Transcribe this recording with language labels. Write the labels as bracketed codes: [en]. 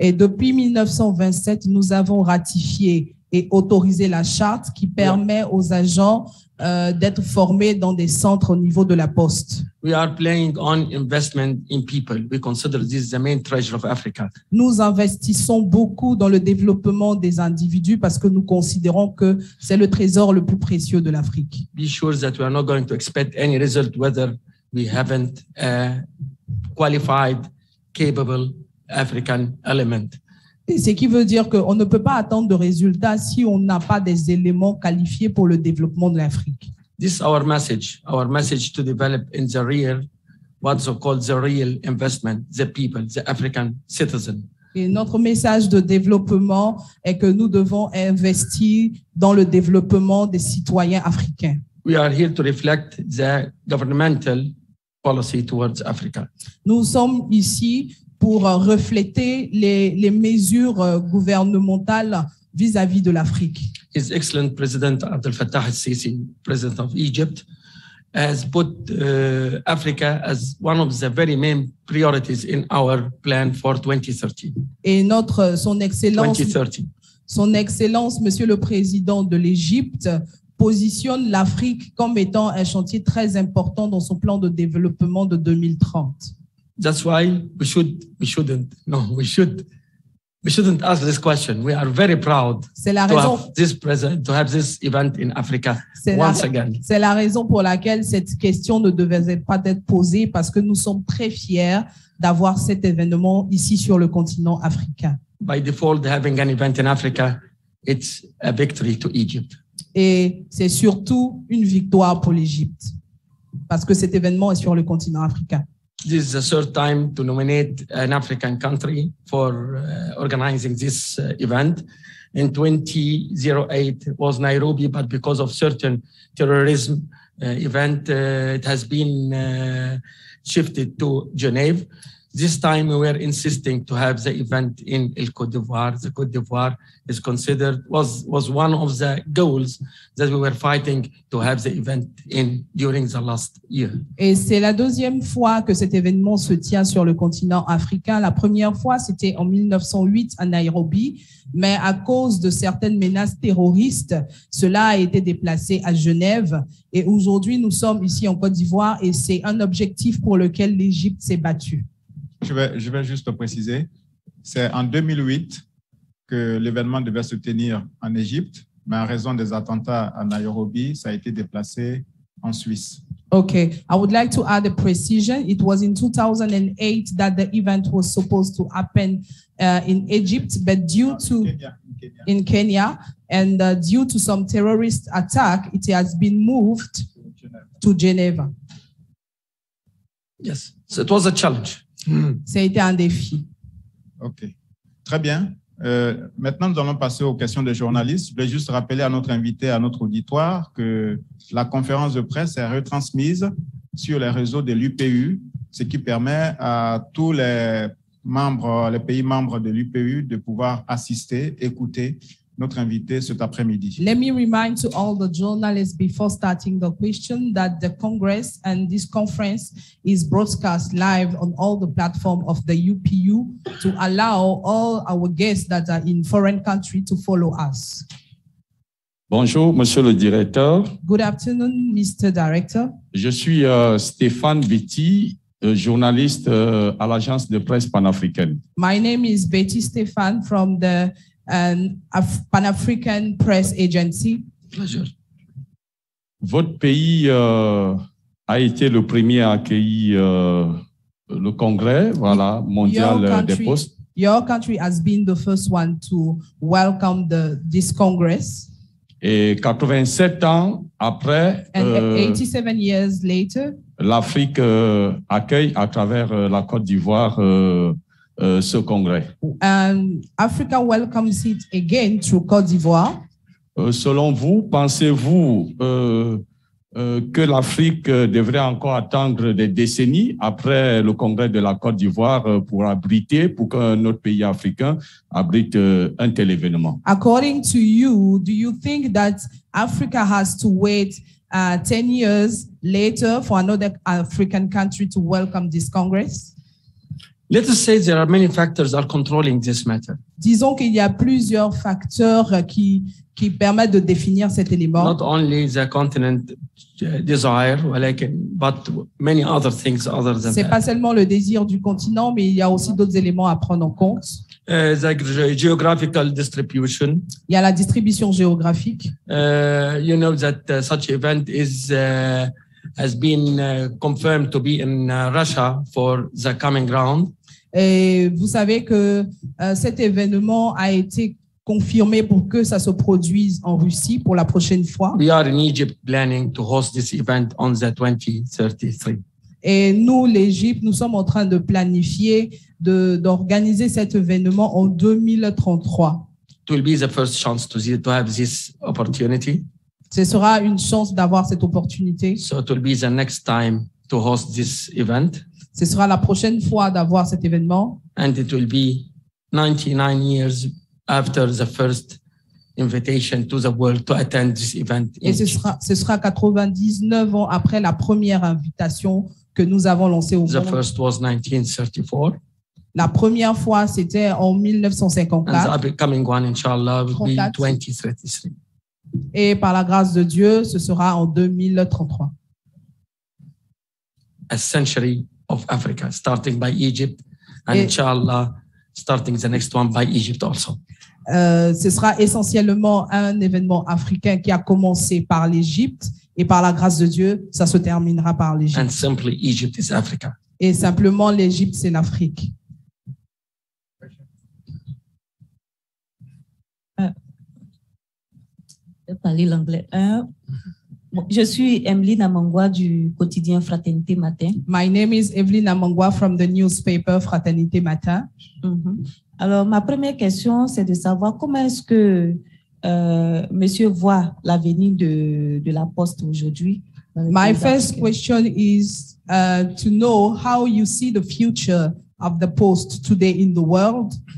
[fr] Et depuis 1927, nous avons ratifié et autorisé la charte qui permet aux agents d'être formés dans des centres au niveau de la poste. [en] We are playing on investment in people. We consider this the main treasure of Africa. [fr] Nous investissons beaucoup dans le développement des individus parce que nous considérons que c'est le trésor le plus précieux de l'Afrique. [en] Be sure that we are not going to expect any result whether we haven't a qualified, capable African element. [fr] Et ce qui veut dire qu'on ne peut pas attendre de résultats si on n'a pas des éléments qualifiés pour le développement de l'Afrique. [en] This is our message to develop in the real, what's called the real investment, the people, the African citizen. [fr] Et notre message de développement est que nous devons investir dans le développement des citoyens africains. [en] We are here to reflect the governmental policy towards Africa. [fr] Nous sommes ici pour refléter les mesures gouvernementales vis-à-vis de l'Afrique. [en] His excellent President Abdel Fattah al-Sisi, President of Egypt, has put Africa as one of the very main priorities in our plan for 2030. [fr] Et son excellence, Monsieur le Président de l'Égypte, positionne l'Afrique comme étant un chantier très important dans son plan de développement de 2030. [en] That's why we shouldn't ask this question. We are very proud to have this event in Africa once again. [fr] C'est la raison pour laquelle cette question ne devait pas être posée parce que nous sommes très fiers d'avoir cet événement ici sur le continent africain. [en] By default, having an event in Africa, it's a victory to Egypt. [fr] Et c'est surtout une victoire pour l'Égypte parce que cet événement est sur le continent africain. [en] This is the third time to nominate an African country for organizing this event. In 2008 was Nairobi, but because of certain terrorism event, it has been shifted to Geneva. This time we were insisting to have the event in El Côte d'Ivoire. The Côte d'Ivoire is considered, was one of the goals that we were fighting to have the event in during the last year. [fr] Et c'est la deuxième fois que cet événement se tient sur le continent africain. La première fois, c'était en 1908 à Nairobi, mais à cause de certaines menaces terroristes, cela a été déplacé à Genève. Et aujourd'hui, nous sommes ici en Côte d'Ivoire et c'est un objectif pour lequel l'Égypte s'est battue. Je vais juste préciser, c'est en 2008 que l'événement devait se tenir en Égypte, mais en raison des attentats à Nairobi, ça a été déplacé en Suisse. [en] Okay, I would like to add a precision. It was in 2008 that the event was supposed to happen in Egypt, but due to some terrorist attack, it has been moved to Geneva. Yes, so it was a challenge. [fr] Ça a été un défi. OK. Très bien. Maintenant, nous allons passer aux questions des journalistes. Je vais juste rappeler à notre invité, à notre auditoire, que la conférence de presse est retransmise sur les réseaux de l'UPU, ce qui permet à tous les membres, les pays membres de l'UPU, de pouvoir assister, écouter notre invité cet après-midi. [en] Let me remind to all the journalists before starting the question that the Congress and this conference is broadcast live on all the platforms of the UPU to allow all our guests that are in foreign country to follow us. [fr] Bonjour, Monsieur le Directeur. [en] Good afternoon, Mr. Director. [fr] Je suis Stéphane Betty, journaliste à l'Agence de presse panafricaine. [en] My name is Betty Stéphane from the Pan-African Press Agency. Pleasure. [fr] Votre pays a été le premier à accueillir le congrès, voilà, mondial des postes. [en] Your country has been the first one to welcome this congress. [fr] Et 87 ans après, [en] and 87 years later, [fr] l'Afrique accueille à travers la Côte d'Ivoire ce congrès. [en] Africa welcomes it again through Côte d'Ivoire. [fr] Selon vous, pensez-vous que l'Afrique devrait encore attendre des décennies après le congrès de la Côte d'Ivoire pour qu'un autre pays africain abrite un tel événement? [en] According to you, do you think that Africa has to wait 10 years later for another African country to welcome this congress? Let us say there are many factors that are controlling this matter. [fr] Disons qu'il y a plusieurs facteurs qui permettent de définir cet élément. [en] Not only the continent desire, but many other things other than. [fr] C'est pas seulement le désir du continent, mais il y a aussi d'autres éléments à prendre en compte. [en] The geographical distribution. [fr] Il y a la distribution géographique. [en] You know that such event is. Has been confirmed to be in Russia for the coming round. [fr] Et vous savez que cet événement a été confirmé pour que ça se produise en Russie pour la prochaine fois. [en] We are in Egypt planning to host this event on the 2033. [fr] Et nous, l'Égypte, nous sommes en train de planifier d'organiser cet événement en 2033. [en] It will be the first chance to have this opportunity. [fr] Ce sera une chance d'avoir cette opportunité. [en] So it will be the next time to host this event. [fr] Ce sera la prochaine fois d'avoir cet événement. [en] And it will be 99 years after the first invitation to the world to attend this event. [fr] Et ce sera 99 ans après la première invitation que nous avons lancée au monde. [en] The first was 1934. [fr] La première fois, c'était en 1954. [en] And the coming one, inshallah, will be 2033. [fr] Et par la grâce de Dieu, ce sera en 2033. [en] A century of Africa, starting by Egypt, and inshallah, starting the next one by Egypt also. [fr] Ce sera essentiellement un événement africain qui a commencé par l'Égypte et par la grâce de Dieu, ça se terminera par l'Égypte. [en] And simply, Egypt is Africa. [fr] Et simplement, l'Égypte, c'est l'Afrique. Je vais parler l'anglais. Je suis Emeline Amangwa du quotidien Fraternité Matin. [en] My name is Emeline Amangwa from the newspaper Fraternité Matin. Mm-hmm. [fr] Alors, ma première question, c'est de savoir comment est-ce que monsieur voit l'avenir de la poste aujourd'hui. [en] My first question is to know how you see the future of the post today in the world.